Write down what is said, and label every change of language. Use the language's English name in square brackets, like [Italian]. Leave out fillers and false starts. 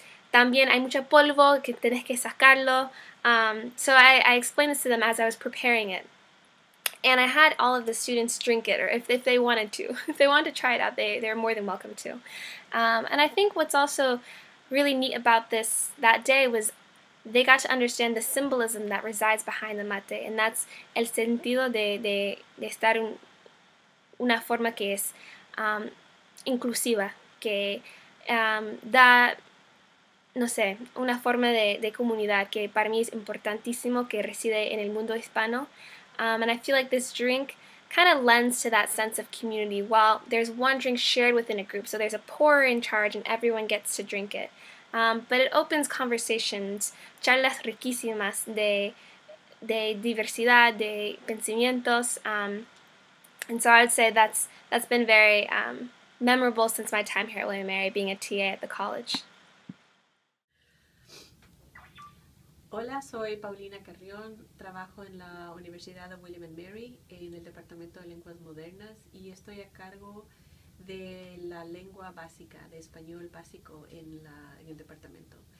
[Spanish] También hay mucho polvo que tienes que sacarlo. [English] So I explained this to them as I was preparing it. And I had all of the students drink it, or if they wanted to. If they wanted to try it out, they're more than welcome to. And I think what's also really neat about this that day was they got to understand the symbolism that resides behind the mate, and that's [Spanish] el sentido de estar una forma que es inclusiva, que da, no sé, una forma de comunidad que para mí es importantísimo, que reside en el mundo hispano. [English] And I feel like this drink kind of lends to that sense of community. Well, there's one drink shared within a group, so there's a pourer in charge and everyone gets to drink it. But it opens conversations, [Spanish] charlas riquísimas de diversidad, de pensamientos. [English] And so I would say that's been very memorable since my time here at William & Mary, being a TA at the college. [Spanish] Hola, soy Paulina Carrión, trabajo en la Universidad de William & Mary en el Departamento de Lenguas Modernas y estoy a cargo de la lengua básica, de español básico en el departamento.